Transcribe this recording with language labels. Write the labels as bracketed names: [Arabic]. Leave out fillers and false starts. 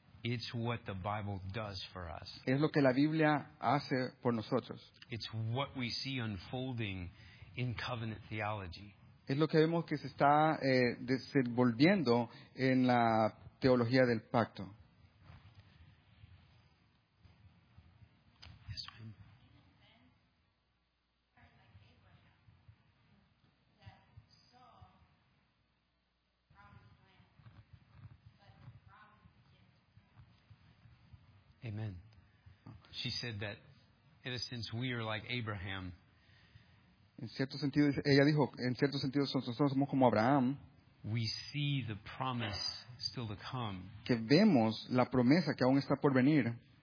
[English] It's what the Bible does for us. [Spanish] Es lo que la Biblia hace por nosotros. [English] It's what we see unfolding in covenant theology. [Spanish] Es lo que vemos que se está desenvolviendo en la teología del pacto. [English] Amen. She said that, in a sense, we are like Abraham. [Spanish] En cierto sentido, ella dijo, en cierto sentido, nosotros somos como Abraham. [English] We see the promise still to come. [Spanish] Que vemos la promesa que aún está por venir.